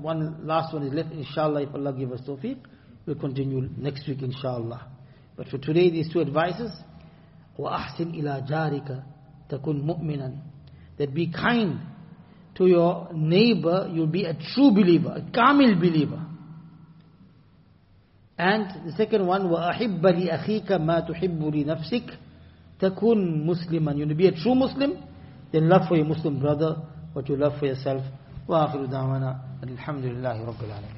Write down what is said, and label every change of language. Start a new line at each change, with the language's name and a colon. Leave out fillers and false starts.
English: One last one is left. Inshallah, if Allah give us tawfiq, we'll continue next week, inshallah. But for today, these two advices,
Arabic: wa ahsin ila jarika takun mu'minan.
English: That be kind to your neighbor, you'll be a true believer, a kamil believer. And the second one,
Arabic: وَأَحِبَّ لِأَخِيكَ مَا تُحِبُّ لِنَفْسِكَ تَكُن مُسْلِمًا.
English: You'll be a true Muslim, then love for your Muslim brother what you love for yourself.
Arabic: وَآخِرُ دَعْوَنَا الْحَمْدُ لِلَّهِ رَبِّ الْعَالَمِينَ.